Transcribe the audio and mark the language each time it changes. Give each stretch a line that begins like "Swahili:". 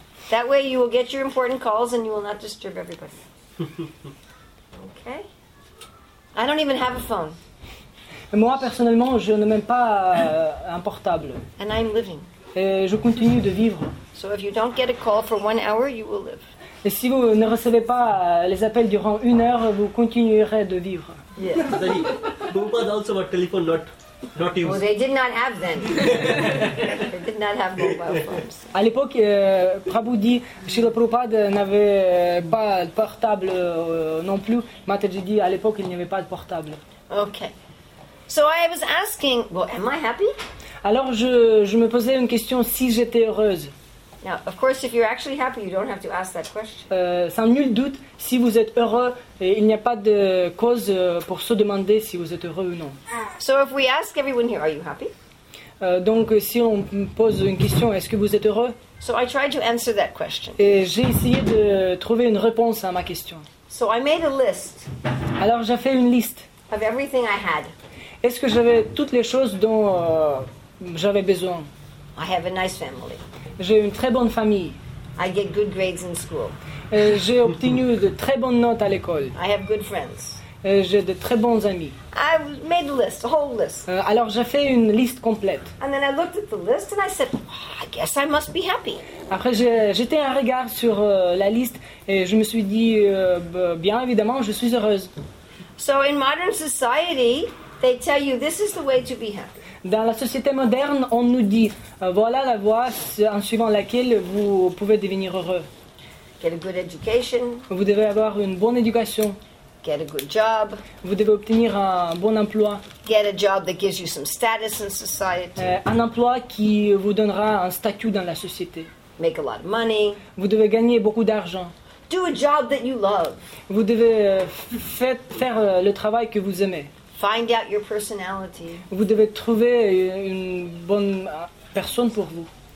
English: That way you will get your important calls and you will not disturb everybody. Okay? I don't even have a phone.
French: Moi, personnellement, je n'ai même pas un portable.
English: And I'm living.
French: Et je continue de vivre.
English: So if you don't get a call for 1 hour, you will live.
French: Et si vous ne recevez pas les appels durant une heure, vous continuerez de vivre.
English: Yes. Also a telephone not used. Well, they did not have then. They did not have mobile phones.
French: À l'époque, Prabhupada, Srila Prabhupada n'avait pas de portable non plus. Mataji dit, à l'époque, il n'y avait pas de portable.
English: Okay. So I was asking, well, am I happy?
French: Alors je me posais une question, si j'étais heureuse.
English: Now, of course, if you're actually happy, you don't have to ask that question.
French: Sans nul doute, si vous êtes heureux, il n'y a pas de cause pour se demander si vous êtes heureux ou non.
English: So if we ask everyone here, are you happy?
French: Donc si on pose une question, est-ce que vous êtes heureux?
English: So I tried to answer that question.
French: Et j'ai essayé de trouver une réponse à ma question.
English: So I made a list.
French: Alors j'ai fait une liste.
English: Of everything I had.
French: Est-ce que j'avais toutes les choses dont j'avais besoin?
English: I have a nice family.
French: J'ai une très bonne famille.
English: I get good grades in school.
French: J'ai obtenu de très bonnes notes à l'école.
English: I have good friends.
French: J'ai de très bons amis.
English: I made a list, a whole list.
French: Alors j'ai fait une liste complète.
English: And then I looked at the list and I said, oh, I guess I must be happy.
French: Après j'ai jeté un regard sur la liste et je me suis dit, bien évidemment, je suis heureuse.
English: So in modern society, they tell you this is the way to be happy.
French: Dans la société moderne, on nous dit voilà la voie en suivant laquelle vous pouvez devenir heureux.
English: Get a good education.
French: Vous devez avoir une bonne éducation.
English: Get a good job.
French: Vous devez obtenir un bon emploi.
English: Get a job that gives you some status in society.
French: Un emploi qui vous donnera un statut dans la société.
English: Make a lot of money.
French: Vous devez gagner beaucoup d'argent.
English: Do a job that you love.
French: Vous devez faire le travail que vous aimez.
English: Find out your personality.
French: Vous devez trouver une bonne personne pour vous.